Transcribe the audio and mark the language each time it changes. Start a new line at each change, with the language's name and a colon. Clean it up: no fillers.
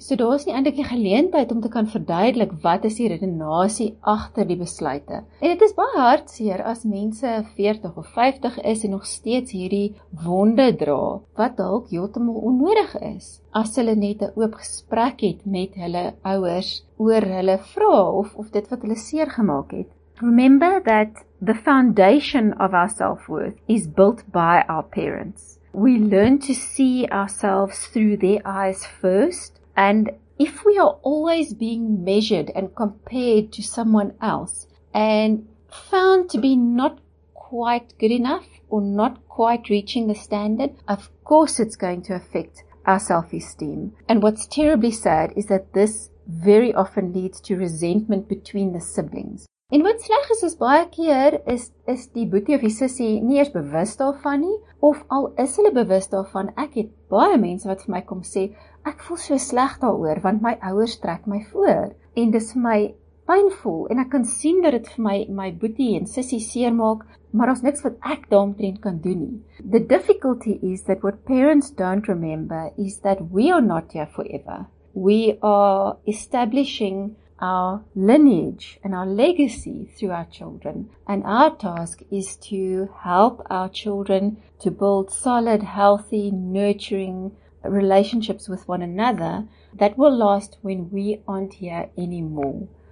Afrikaans: So daar is nie eintlik 'n geleentheid om te kan verduidelik wat is die redenasie agter die besluite. En dit is baie hartseer as mense 40 of 50 is en nog steeds hierdie wonde dra wat dalk heeltemal onnodig is. As hulle net 'n oop gesprek het met hulle ouers oor hulle vrae of dit wat hulle seer gemaak het.
English: Remember that the foundation of our self-worth is built by our parents. We learn to see ourselves through their eyes first, and if we are always being measured and compared to someone else and found to be not quite good enough or not quite reaching the standard, of course it's going to affect our self-esteem. And what's terribly sad is that this very often leads to resentment between the siblings.
Afrikaans: En wat sleg is, is baie keer is die boetie of die sussie nie eens bewus daarvan nie, of al is hulle bewus daarvan, ek het baie mense wat vir my kom sê, ek voel so sleg daaroor, want my ouers trek my voor, en dis vir my pynvol, en ek kan sien dat dit vir my boetie en sussie seer maak, maar daar's niks wat ek daaromtrent kan doen nie.
English: The difficulty is that what parents don't remember is that we are not here forever. We are establishing our lineage and our legacy through our children, and our task is to help our children to build solid, healthy, nurturing relationships with one another that will last when we aren't here anymore.